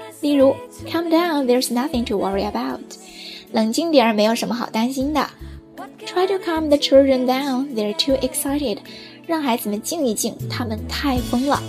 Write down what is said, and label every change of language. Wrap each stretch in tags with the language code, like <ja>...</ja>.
<zh>例如</zh> <en>,calm down, there's nothing to worry about.</en> <zh>冷静点没有什么好担心的。</zh> <en>Try to calm the children down, they're too excited.</en> <zh>让孩子们静一静，他们太疯了。</zh>